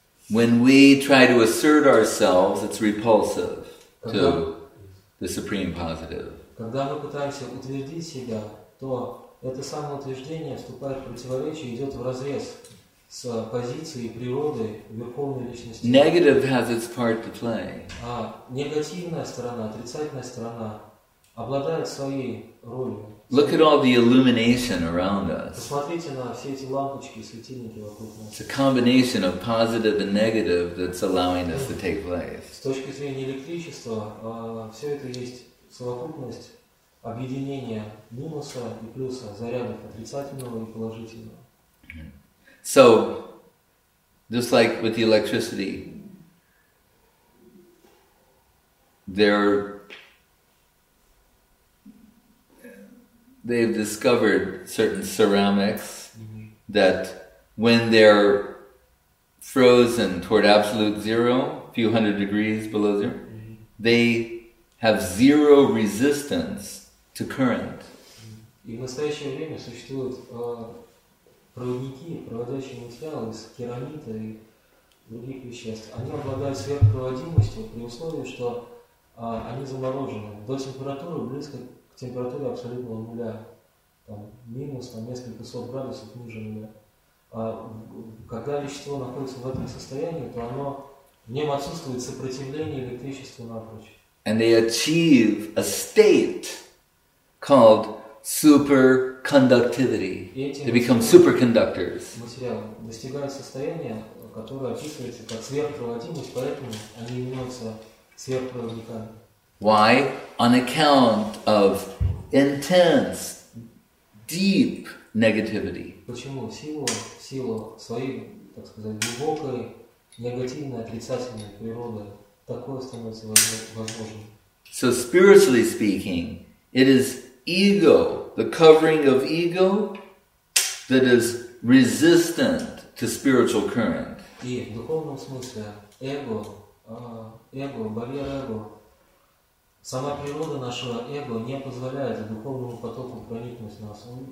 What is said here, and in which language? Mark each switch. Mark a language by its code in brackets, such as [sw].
[en] When we try to assert ourselves, it's repulsive to the supreme positive. [ru] Когда мы пытаемся утвердить себя, то это самоутверждение вступает в противоречие, идет в разрез с позицией природы верховной личности. [en] Negative has its part to play. [ru] А негативная сторона, отрицательная сторона обладает своей ролью. [en] Look at all the illumination around us. [ru] Посмотрите на все эти лампочки, светильники вокруг нас. [en] It's a combination of positive and negative that's allowing us to take place. [ru] С точки зрения электричества, все это есть совокупность объединения минуса и плюса зарядов отрицательного и положительного. [en] So, just like with the electricity, they've discovered certain ceramics that when they're frozen toward absolute zero, a few hundred degrees below zero, they have zero resistance to current. [ru] И в настоящее время существуют проводники, проводящие материалы из керамита и других веществ. Они обладают сверхпроводимостью при условии, что они заморожены до температуры близко к температуре абсолютного нуля. Там, минус там, несколько сот градусов ниже нуля. А когда вещество находится в этом состоянии, то оно, в нем отсутствует сопротивление электричеству напрочь. [en] And they achieve a state called superconductivity. They become superconductors. [ru] Материал достигает состояния, которое описывается как сверхпроводимость, поэтому они являются сверхпроводниками. [en] Why? On account of intense deep negativity. [ru] Почему? Сила своей, так сказать, глубокой, негативной, отрицательной природы. Такое становится возможным. [en] So spiritually speaking, It is ego, the covering of ego, that is resistant to spiritual current. [ru] И в духовном смысле эго, эго, барьер эго, сама природа нашего эго не позволяет духовному потоку проникнуть в нас.